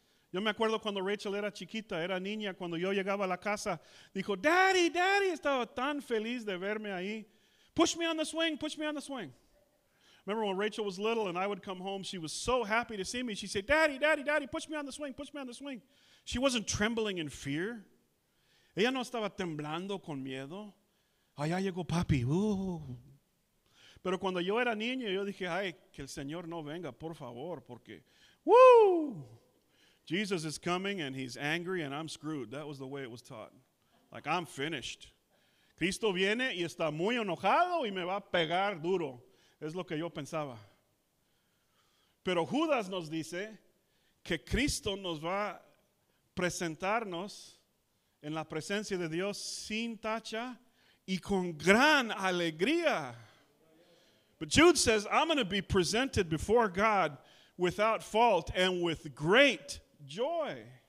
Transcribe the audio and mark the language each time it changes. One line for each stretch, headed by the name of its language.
Spanish: Yo me acuerdo cuando Rachel era chiquita, era niña, cuando yo llegaba a la casa, dijo,
English: Daddy, Daddy,
Spanish: estaba tan feliz de verme ahí.
English: Push me on the swing, push me on the swing. Remember when Rachel was little and I would come home, she was so happy to see me. She said, Daddy, Daddy, Daddy, push me on the swing, push me on the swing. She wasn't trembling in fear.
Spanish: Ella no estaba temblando con miedo. Allá llegó papi. Pero cuando yo era niño, yo dije, ay, que el Señor no venga, por favor, porque, woo!
English: Jesus is coming and He's angry and I'm screwed. That was the way it was taught. Like, I'm finished.
Spanish: Cristo viene y está muy enojado y me va a pegar duro. Es lo que yo pensaba. Pero Judas nos dice que Cristo nos va a presentarnos en la presencia de Dios sin tacha y con gran alegría.
English: But Jude says, I'm going to be presented before God without fault and with great joy.